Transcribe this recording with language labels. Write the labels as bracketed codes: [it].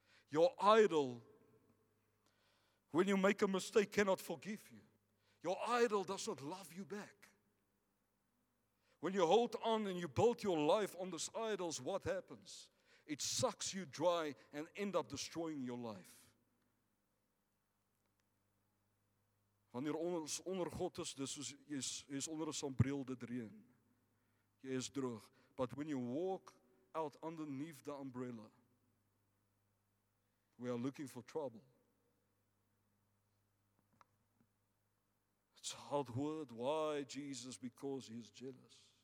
[en] Your idol, when you make a mistake, cannot forgive you. Your idol does not love you back. When you hold on and you build your life on these idols, what happens? It sucks you dry and end up destroying your life. [af] Wanneer ons onder God is, dis soos jy is onder 'n sambreel dit reën. Jy is droog. [en] But when you walk out underneath the umbrella, we are looking for trouble. It's a hard word. Why, Jesus? Because he is jealous.